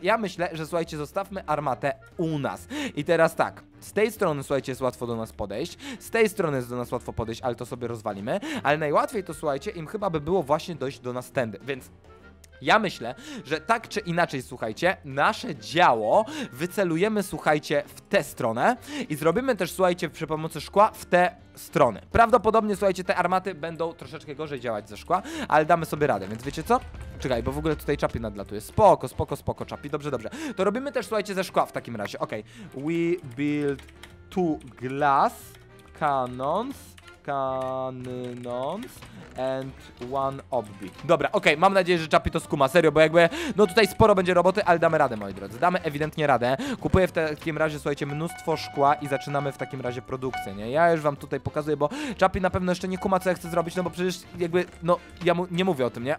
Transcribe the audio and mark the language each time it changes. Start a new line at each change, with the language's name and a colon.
Polish: Ja myślę, że słuchajcie, zostawmy armatę u nas i teraz tak, z tej strony, słuchajcie, jest łatwo do nas podejść, z tej strony jest do nas łatwo podejść, ale to sobie rozwalimy, ale najłatwiej to, słuchajcie, im chyba by było właśnie dojść do nas tędy, więc ja myślę, że tak czy inaczej, słuchajcie, nasze działo wycelujemy, słuchajcie, w tę stronę i zrobimy też, słuchajcie, przy pomocy szkła w tę stronę. Prawdopodobnie, słuchajcie, te armaty będą troszeczkę gorzej działać ze szkła, ale damy sobie radę, więc wiecie co? Czekaj, bo w ogóle tutaj czapi nadlatuje. Spoko, spoko, spoko, czapi. Dobrze, dobrze. To robimy też, słuchajcie, ze szkła w takim razie. Okej.
English: We build two glass cannons. Cannons and one obby.
Polish: Dobra, okej, okay, mam nadzieję, że Czapi to skuma, serio, bo jakby, no tutaj sporo będzie roboty, ale damy radę, moi drodzy, damy ewidentnie radę. Kupuję w takim razie, słuchajcie, mnóstwo szkła i zaczynamy w takim razie produkcję, nie? Ja już wam tutaj pokazuję, bo Czapi na pewno jeszcze nie kuma, co ja chcę zrobić, no bo przecież jakby, no, ja mu nie mówię o tym, nie?